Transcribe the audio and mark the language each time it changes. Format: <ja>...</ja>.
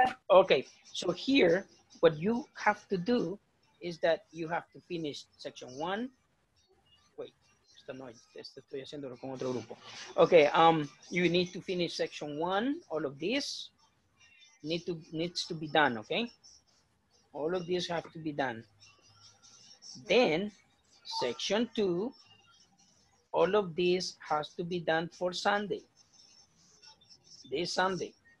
<en>Okay, so here, what you have to do is that you have to finish section 1. Wait,</en> <es>esta no, esto estoy haciéndolo con otro grupo.</es> <en>Okay, you need to finish section 1, all of this needs to be done, okay? All of this have to be done. Then, section 2, all of this has to be done for Sunday. This Sunday.</en>